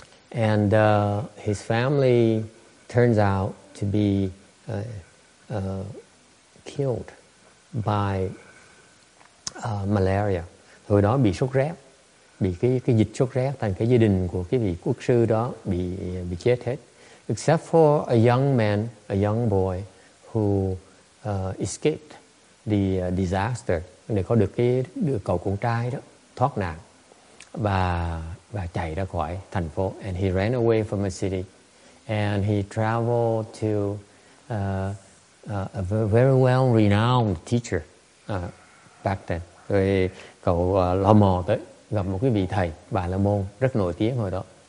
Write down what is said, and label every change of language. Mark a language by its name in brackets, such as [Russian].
[English] And his family turns out to be killed by malaria. [Vietnamese] Hồi đó bị sốt rét, bị cái dịch sốt rét, thành cái gia đình của cái vị quốc sư đó bị chết hết. [English] Except for a young boy who escaped the disaster. [Vietnamese] Để có được cái đứa cậu con trai đó thoát nạn và chạy ra khỏi thành phố. [English] And he ran away from a city. And he traveled to a very well-renowned teacher back then. [Vietnamese] Rồi cậu lo mò tới gặp một cái vị thầy Bà La Môn rất nổi tiếng hồi đó.